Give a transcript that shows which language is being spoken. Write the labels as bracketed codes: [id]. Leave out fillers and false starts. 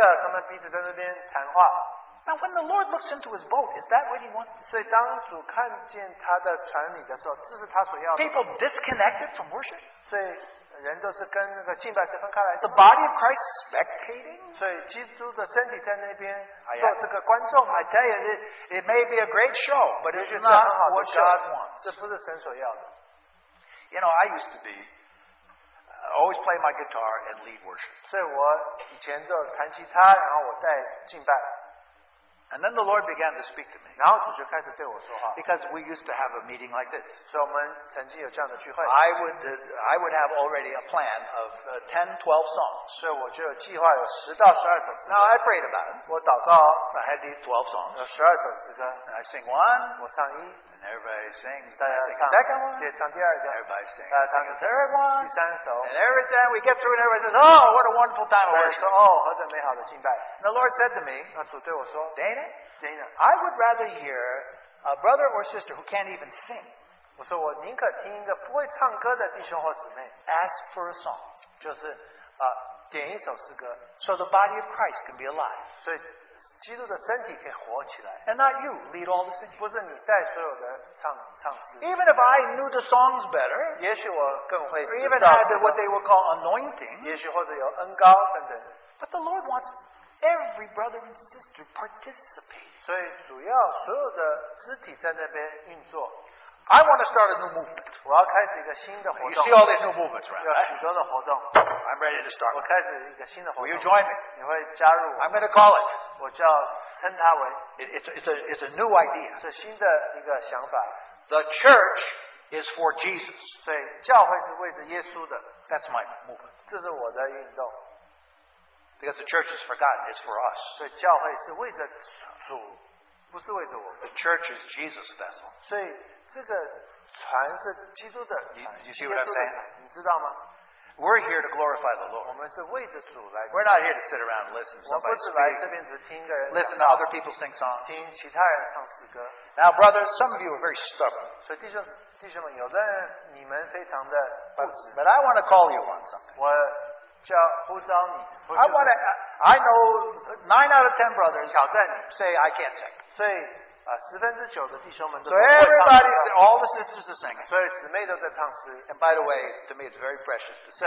[en] Now, when the Lord looks into his boat, is that what he wants to say? [zh] 当主看见他的船里的时候, [en] people disconnected from worship? [zh] 所以人都是跟那个敬拜是分开来的, [en] the body of Christ spectating? [zh] 所以基督的身体在那边做这个观众, [en] I tell you, it may be a great show, but it's not what God wants. [zh] 这不是神所要的. [en] You know, I used to be always play my guitar and lead worship. [zh] 所以我以前就弹吉他, 然后我带敬拜, [en] and then the Lord began to speak to me. [zh] 然后主就开始对我说话, [en] because we used to have a meeting like this. [zh] 所以我们曾经有这样的聚会, [en] I would have already a plan of 10-12 songs. [zh] 所以我就有计划有10到12首诗歌. [en] Now I prayed about it. [zh] 我祷告, [en] I had these 12 songs. [zh] 有12首诗歌, [en] and I sing one, [zh] 我唱一, [en] And everybody sings, everybody sings the second one. And every time we get through and everybody says, oh, what a wonderful time of worship. The Lord said to me, Dana, I would rather hear a brother or sister who can't even sing. [zh] 我说我宁可听一个不会唱歌的弟兄或姊妹, [en] ask for a song. [zh] 就是, 点一首诗歌, [en] so the body of Christ can be alive. [zh] 基督的身体可以活起来, [en] and not you lead all the singing. [zh] 不是你带所有的唱诗, [en] even if I knew the songs better, [zh] 也许我更会知道, [en] or even had what they would call anointing, [zh] 也许或者有恩膏等等, [en] but the Lord wants every brother and sister to participate. [zh] 所以主要所有的肢体在那边运作, [en] I want to start a new movement. [zh] 我要开始一个新的活动, [en] you see all these new movements, right? [zh] 有许多的活动, [en] I'm ready to start. [zh] 我开始一个新的活动, [en] will you join me? [zh] 你会加入, [en] I'm going to call it. [zh] 我叫称它为, [en] it's a new idea. [zh] 是新的一个想法, [en] the church is for Jesus. [zh] 所以教会是为着耶稣的, [en] that's my movement. [zh] 这是我的运动, [en] because the church is for God, it's for us. [zh] 所以教会是为着主, 不是为着我, [en] the church is Jesus' vessel. [zh] 所以, 这个船是基督的, [en] you see what [zh] 耶稣的, [en] I'm saying? [zh] 你知道吗? [en] We're here to glorify the Lord. [zh] 我们是为着主来, [en] we're not here to sit around and listen to somebody speak, listen to other people sing songs. [zh] 听其他人唱诗歌, [en] now, brothers, some of you are very stubborn. [zh] 所以弟兄们, 有的人你们非常的, [en] but I want to call you on something. [zh] 我叫呼召你, [en] I know 9 out of 10 brothers [zh] 挑战你, [en] say I can't sing. [zh] 所以, [en] so everybody, all the sisters are singing. [zh] 所以姊妹都在唱诗, [en] and by the way, to me it's very precious to see,